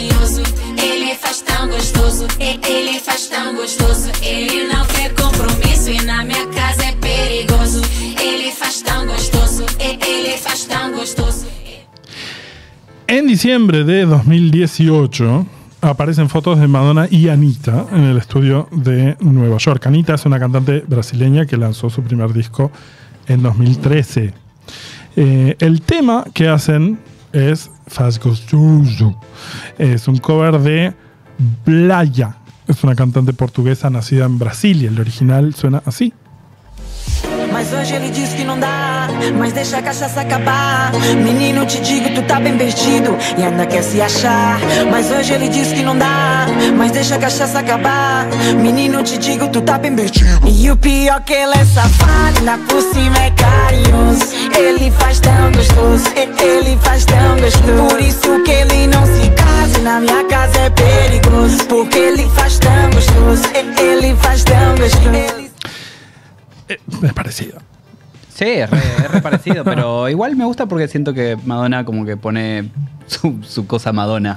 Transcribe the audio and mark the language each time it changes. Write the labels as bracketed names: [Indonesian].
[Portuguese] Eu não nego, ele é safado, ainda por cima é carinhoso. Ele faz tão gostoso, ele faz tão gostoso. Ele não quer compromisso e na minha casa é perigoso. Ele faz tão gostoso, ele faz tão gostoso. [Spanish] En diciembre de 2018 aparecen fotos de Madonna y Anita en el estudio de Nueva York. Anita es una cantante brasileña que lanzó su primer disco en 2013. El tema que hacen es Fast Gostoso. Es un cover de Blaya. Es una cantante portuguesa nacida en Brasil y el original suena así. [Portuguese] Mas hoje ele diz que não dá, mas deixa a cachaça acabar. Menino, te digo, tu tá bem perdido e ainda quer se achar. Mas hoje ele diz que não dá, mas deixa a cachaça acabar. Menino, te digo, tu tá bem perdido. E o pior que ele é safado, ainda por cima é carinhoso. Ele faz tão gostoso, ele faz tão gostoso. Por isso que ele não se casa, e na minha casa é perigoso. Porque ele faz tão gostoso, ele faz tão gostoso. [Spanish] Es parecido. Sí, es re parecido, pero igual me gusta porque siento que Madonna como que pone su cosa Madonna.